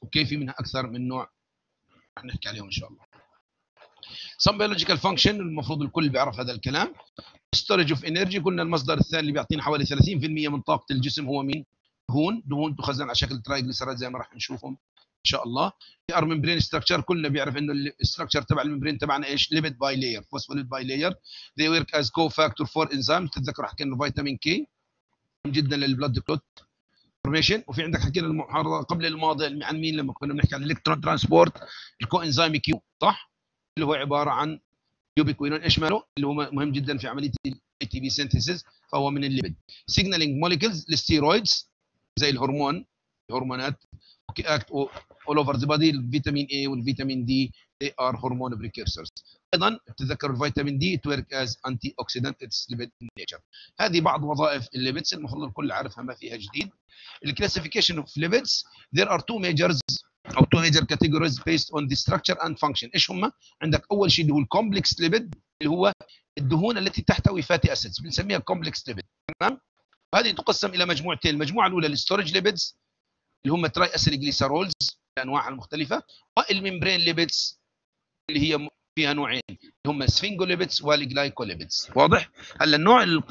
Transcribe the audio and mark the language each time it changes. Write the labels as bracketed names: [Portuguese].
[Arabic] اوكي، في منها اكثر من نوع راح نحكي عليهم ان شاء الله. [English] Some biological function [Arabic] المفروض الكل بيعرف هذا الكلام. [English] Storage of energy [Arabic] قلنا المصدر الثاني اللي بيعطينا حوالي 30% من طاقة الجسم هو مين؟ دهون. دهون تخزن على شكل triglycerides زي ما راح نشوفهم إن شاء الله. PR membrane structure كلنا بيعرف إنه structure تبع الممبرين تبعنا إيش؟ Lipid bilayer، phospholipid bilayer. [English] They work as cofactor for enzymes. [Arabic] تتذكر حكينا فيتامين K جدا للblood clot formation. وفي عندك حكينا المحاضرة قبل الماضي عن مين، لما كنا بنحكي عن electron transport الكوإنزيم Q، صح؟ اللي هو عبارة عن يوبيكوينون إيش ماله، اللي هو مهم جدا في عملية ATP synthesis، فهو من الليبيد. [English] Signaling molecules [Arabic] للستيرويدز زي الهرمون، الهرمونات [English] okay, act all over the body. [Arabic] الفيتامين A والفيتامين D [English] they are hormone precursors. [Arabic] أيضا تذكر الفيتامين D [English] it work as antioxidant, it's lipid in nature. [Arabic] هذه بعض وظائف الليبيدز المفروض الكل عارفها ما فيها جديد. [English] Classification of lipids there are two majors أو two major categories based on the structure and function. [Arabic] إيش هما؟ عندك أول شيء اللي هو complex lipid اللي هو الدهون التي تحتوي fatty acids بنسميها complex lipid، تمام؟ هذه تقسم إلى مجموعتين، المجموعة الأولى storage lipids اللي هما triacylglycerols أنواعها المختلفة، والmembrane lipids اللي هي فيها نوعين اللي هما sphingolipids والglycolipids، واضح؟ هلا النوع